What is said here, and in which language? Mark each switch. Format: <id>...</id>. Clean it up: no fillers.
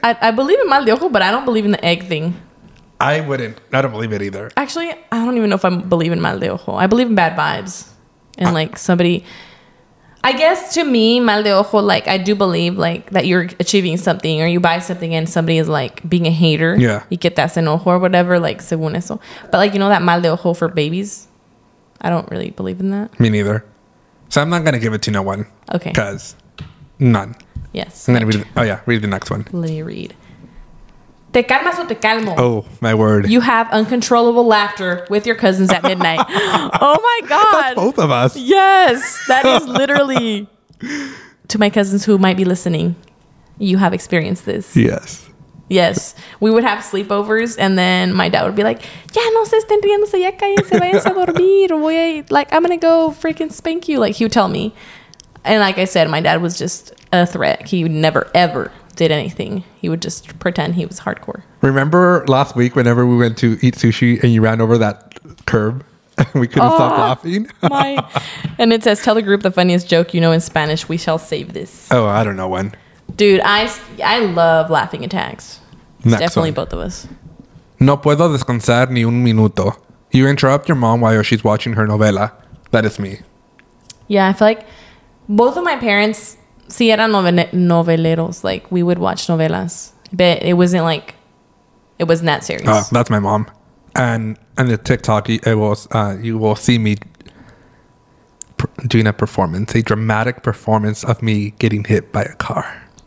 <en>I believe in mal de ojo, but I don't believe in the egg thing. I wouldn't. I don't believe it either. Actually, I don't even know if I believe in mal de ojo. I believe in bad vibes. And like somebody... I guess to me, mal de ojo, like, I do believe, like, that you're achieving something or you buy something and somebody is, like, being a hater. Yeah.</en> <es>Y que estás en ojo</es> <en>or whatever, like,</en> <es>según eso.</es> <en>But, like, you know that mal de ojo for babies? I don't really believe in that. Me neither. So, I'm not going to give it to no one. Okay. Because none. Yes. And then read the, oh, yeah. Read the next one. Let me read.</en> <es>Te calmas o te calmo.</es> <en>Oh, my word. You have uncontrollable laughter with your cousins at midnight. Oh, my God. That's both of us. Yes. That is literally to my cousins who might be listening. You have experienced this. Yes. Yes. We would have sleepovers and then my dad would be like,</en> <es>ya no se estén riéndose, ya cállense, váyanse a dormir.</es> <en>Like, I'm going to go freaking spank you. Like, he would tell me. And like I said, my dad was just a threat. He would never, ever did anything. He would just pretend he was hardcore. Remember last week whenever we went to eat sushi and you ran over that curb and we couldn't stop laughing? My. And it says, tell the group the funniest joke you know in Spanish. We shall save this. Oh, I don't know when. Dude, I love laughing attacks. Next definitely one. Both of us.</en> <es>No puedo descansar ni un minuto.</es> <en>You interrupt your mom while she's watching her novela. That is me. Yeah, I feel like both of my parents...</en> <es>Si eran noveleros,</es> <en>like we would watch novelas, but it wasn't like it wasn't that serious. That's my mom, and the TikTok it was. You will see me doing a performance, a dramatic performance of me getting hit by a car.</en>